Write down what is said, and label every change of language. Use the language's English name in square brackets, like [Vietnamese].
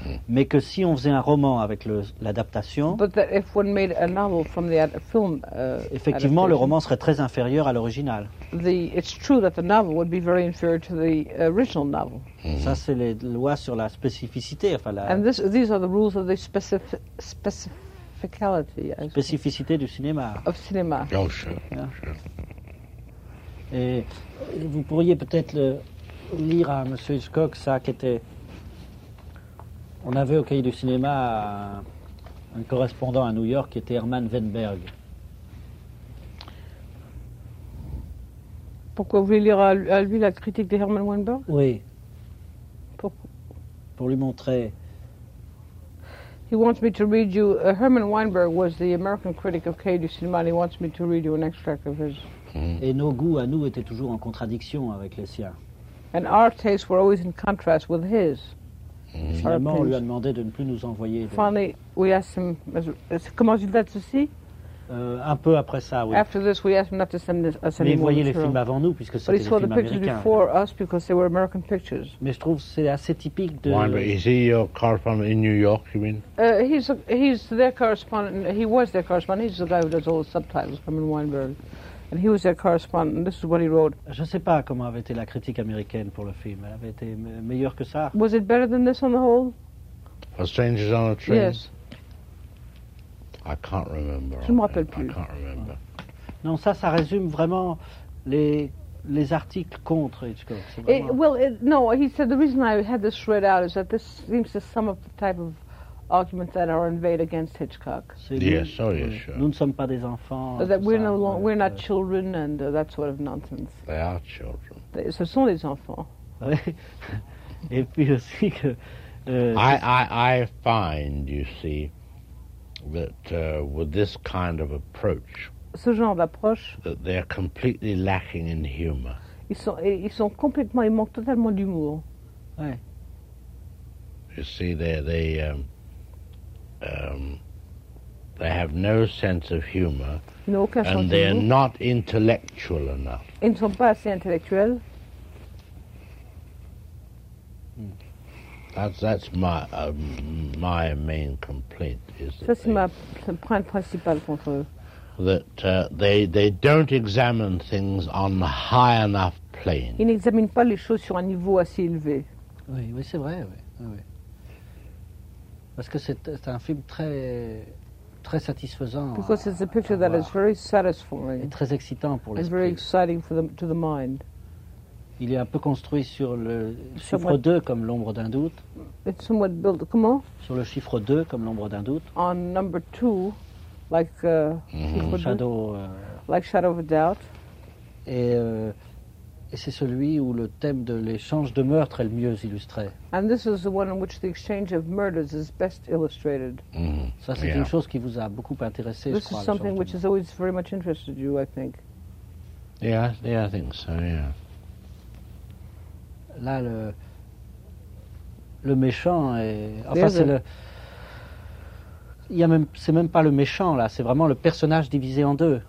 [French] Mais que si on faisait un roman avec l'adaptation, effectivement, le roman serait très inférieur à l'original. [English] It's true that the novel would be very inferior to the original novel. [French] Ça, c'est les lois sur la spécificité. Enfin, la [English] and these are the rules of the [French] spécificité du cinéma. [English] Of cinema. Oh, sure. Yeah. [French] Et vous pourriez peut-être lire à M. Hitchcock ça qui était. On avait au Cahier du cinéma un correspondant à New York qui était Herman Weinberg. Pourquoi vous voulez lire à lui la critique de Herman Weinberg? Oui. Pourquoi? Pour lui montrer. [English] He wants me to read you. Herman Weinberg was the American critic of Cahiers du Cinéma. He wants me to read you an extract of his. [French] Et nos goûts à nous étaient toujours en contradiction avec les siens. [English] And our tastes were always in contrast with his. [French] Finalement, on lui a demandé de ne plus nous envoyer. [English] Finally, we asked him. [French] Comment il l'a ceci? Un peu après ça, oui. [English] After this, we asked him not to send us any more. [French] Mais il voyait les films avant nous, puisque c'était des films américains. [English] But he saw the pictures before us because they were American pictures. [French] Mais je trouve c'est assez typique de. [English] Weinberg, is he your correspondent in New York? You mean? He's their correspondent. He was their correspondent. He's the guy who does all the subtitles. Herman Weinberg, and he was their correspondent. And this is what he wrote. [French] Je ne sais pas comment avait été la critique américaine pour le film. Elle avait été meilleure que ça. [English] Was it better than this on the whole? For Strangers on a Train. Yes. I can't remember. [French] Je ne me rappelle plus. [English] I can't remember. [French] Non, ça résume vraiment les articles contre Hitchcock. C'est vraiment. [English] He said the reason I had this read out is that this seems to sum up the type of arguments that are inveyed against Hitchcock. Yes, sure. [French] Nous ne sommes pas des enfants. [English] That we're no longer, we're not children and that sort of nonsense. They are children. [French] Ce sont des enfants. Et puis aussi que. [English] I find, you see. That with this kind of approach, [French] ce genre d'approche, [English] that they are completely lacking in humor. [French] Ils sont complètement, ils manquent totalement d'humour. Ouais. [English] You see, they have no sense of humor, [French] ils n'ont aucun sens [English] and they are not intellectual enough. [French] Ils ne sont pas assez intellectuels. [English] That's my main complaint. Is [French] ça c'est ma point principal contre eux. [English] That they don't examine things on a high enough plane. [French] Ils n'examinent pas les choses sur un niveau assez élevé. Oui, c'est vrai. Oui. Parce que c'est un film très très satisfaisant. [English] Because it's a picture that is very satisfying. [French] Et très excitant pour l'esprit. [English] It's very exciting for the mind. [French] Il est un peu construit sur le chiffre 2 comme l'ombre d'un doute. [English] It's somewhat built, comment? [French] Sur le chiffre 2 comme l'ombre d'un doute. [English] On number 2, like shadow. Like shadow of a doubt. [French] Et c'est celui où le thème de l'échange de meurtre est le mieux illustré. [English] And this is the one in which the exchange of murders is best illustrated. [French] Ça c'est une chose qui vous a beaucoup intéressé, [English] this [French] je crois. [English] This is something which has always very much interested you, I think. Yeah, I think so, yeah. [French] Là, le méchant est. Enfin, c'est le. C'est même pas le méchant là. C'est vraiment le personnage divisé en deux.